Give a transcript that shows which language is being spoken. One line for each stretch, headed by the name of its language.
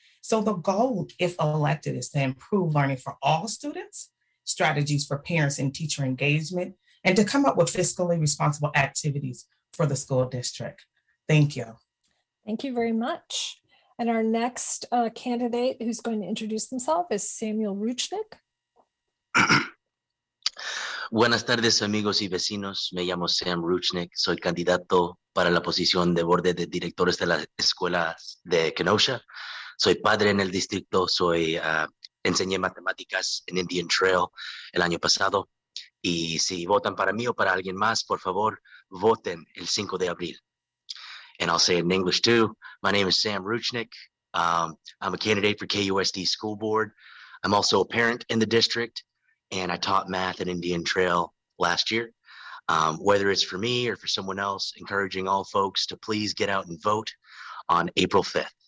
English: So the goal, if elected, is to improve learning for all students, strategies for parents and teacher engagement, and to come up with fiscally responsible activities for the school district. Thank you. Thank you very much. And our next candidate who's going to introduce himself is Samuel Ruchnik.
Spanish: Buenas tardes, amigos y vecinos. Me llamo Sam Ruchnik. Soy candidato para la posición de borde de directores de las escuelas de Kenosha. Soy padre en el distrito. Soy enseñé matemáticas en Indian Trail el año pasado. Y si votan para mí o para alguien más, por favor, voten el 5 de abril.
English: And I'll say it in English too. My name is Sam Ruchnik. I'm a candidate for KUSD School Board. I'm also a parent in the district, and I taught math at Indian Trail last year. Whether it's for me or for someone else, encouraging all folks to please get out and vote on April 5th.